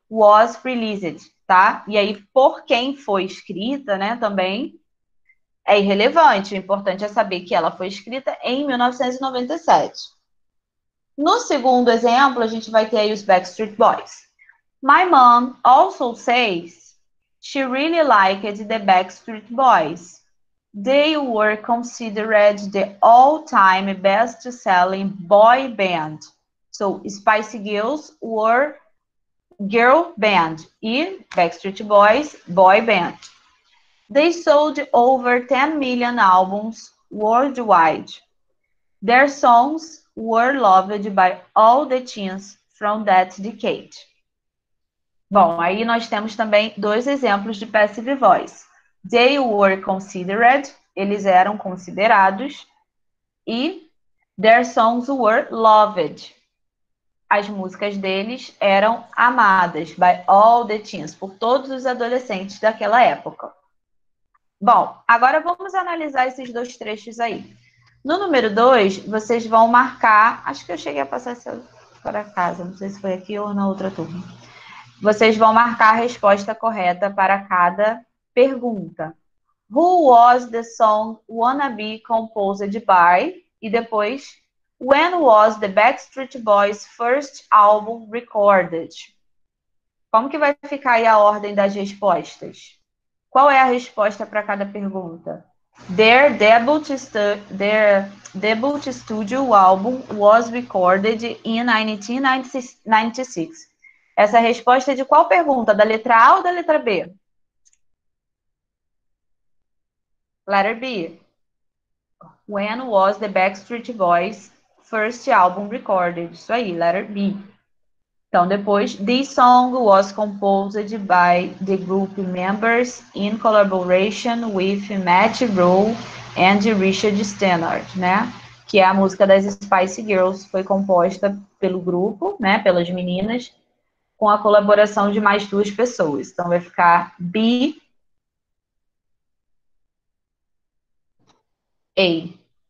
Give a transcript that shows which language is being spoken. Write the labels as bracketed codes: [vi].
[en] Was released, [pt] tá? E aí, por quem foi escrita, né? Também é irrelevante. O importante é saber que ela foi escrita em 1997. No segundo exemplo, a gente vai ter aí os Backstreet Boys. [en] My mom also says She really liked the Backstreet Boys. They were considered the all-time best-selling boy band. So, Spice Girls were girl band e Backstreet Boys, boy band. They sold over 10 million albums worldwide. Their songs were loved by all the teens from that decade. [pt] Bom, aí nós temos também dois exemplos de passive voice. [en] They were considered, [pt] eles eram considerados, e [en] their songs were loved. [pt] As músicas deles eram amadas [en] by all the teens, [pt] por todos os adolescentes daquela época. Bom, agora vamos analisar esses dois trechos aí. No número 2, vocês vão marcar... Acho que eu cheguei a passar essa para casa. Não sei se foi aqui ou na outra turma. Vocês vão marcar a resposta correta para cada pergunta. [en] Who was the song Wanna Be composed by? [pt] E depois, [en] when was the Backstreet Boys' first album recorded? [pt] Como que vai ficar aí a ordem das respostas? Qual é a resposta para cada pergunta? [en] Their debut studio album was recorded in 1996. [pt] Essa resposta é de qual pergunta? Da letra A ou da letra B? [en] Letter B. When was the Backstreet Boys' first album recorded? [pt] Isso aí, [en] letter B. [pt] Então, depois, [en] this song was composed by the group members in collaboration with Matt Rowe and Richard Stannard, né? [pt] Que é a música das Spice Girls, foi composta pelo grupo, né? Pelas meninas, com a colaboração de mais duas pessoas. Então, vai ficar B, A.